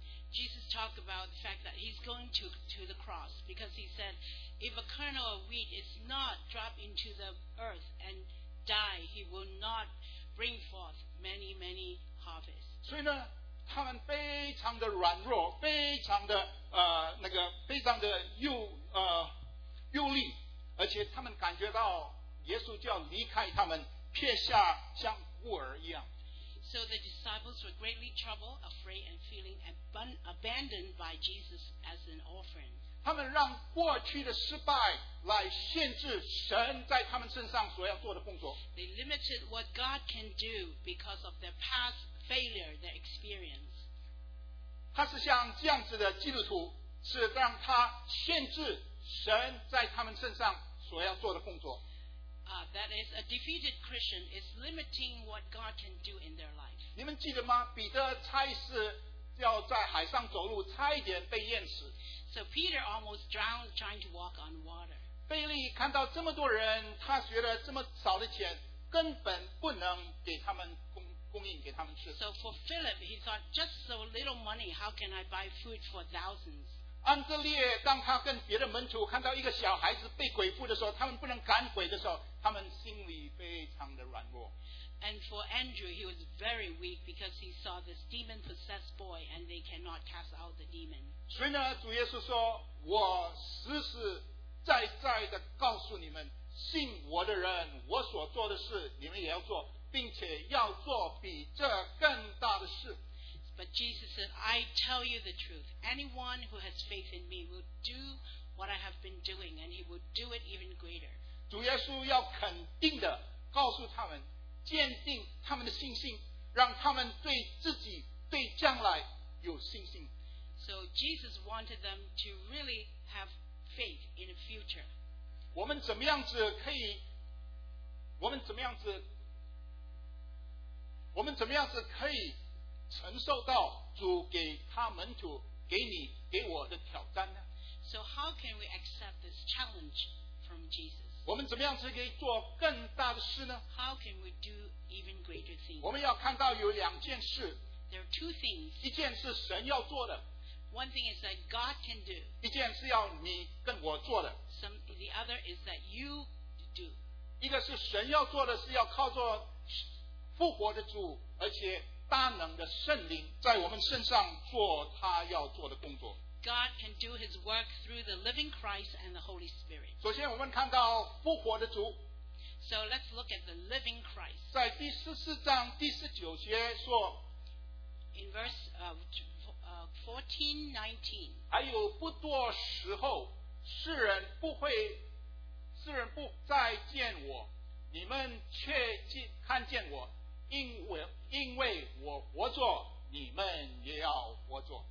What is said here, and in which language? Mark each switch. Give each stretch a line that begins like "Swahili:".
English: Jesus talked about the fact that he's going to the cross because he said, if a kernel of wheat is not dropped into the earth and die, he will not bring forth many, many harvests.
Chinese: 所以呢，他们非常的软弱，非常的非常的忧虑，而且他们感觉到耶稣就要离开他们，撇下像孤儿一样。
English: So the disciples were greatly troubled, afraid, and feeling abandoned by Jesus as an orphan.
Chinese: 他们让过去的失败来限制神在他们身上所要做的工作。
English: They limited what God can do because of their past failure, their experience.
Chinese: 他是像这样子的基督徒，是让他限制神在他们身上所要做的工作。
English: That is, a defeated Christian is limiting what God can do in their life.
Chinese: 你们记得吗？彼得差事要在海上走路，差一点被淹死。
English: So Peter almost drowned trying to walk on water.
Chinese: 腓力看到这么多人，他觉得这么少的钱根本不能给他们供应给他们吃。
English: So for Philip, he thought, just so little money, how can I buy food for thousands?
Chinese: 安德烈当他跟别的门徒看到一个小孩子被鬼附的时候，他们不能赶鬼的时候，他们心里非常的软弱。
English: And for Andrew, he was very weak because he saw this demon-possessed boy and they cannot cast out the demon.
Chinese: 所以呢，主耶稣说，我实实在在的告诉你们，信我的人，我所做的事，你们也要做，并且要做比这更大的事。
English: But Jesus said, I tell you the truth. Anyone who has faith in me will do what I have been doing and he will do it even greater.
Chinese: 主耶稣要肯定的告诉他们，坚定他们的信心，让他们对自己对将来有信心。
English: So Jesus wanted them to really have faith in the future.
Chinese: 我们怎么样子可以我们怎么样子可以承受到主给他门徒给你给我的挑战呢？
English: So how can we accept this challenge from Jesus?
Chinese: 我们怎么样子可以做更大的事呢？
English: How can we do even greater things?
Chinese: 我们要看到有两件事。
English: There are two things.
Chinese: 一件是神要做的。
English: One thing is that God can do.
Chinese: 一件是要你跟我做的。
English: The other is that you do.
Chinese: 一个是神要做的，是要靠着复活的主，而且大能的圣灵在我们身上做他要做的工作。
English: God can do his work through the living Christ and the Holy Spirit.
Chinese: 首先我们看到复活的主。
English: So let's look at the living Christ.
Chinese: 在第十四章第十九节说，
English: In verse 14:19,
Chinese: 还有不多时候，世人不再见我，你们却看见我，因为我活着，你们也要活着。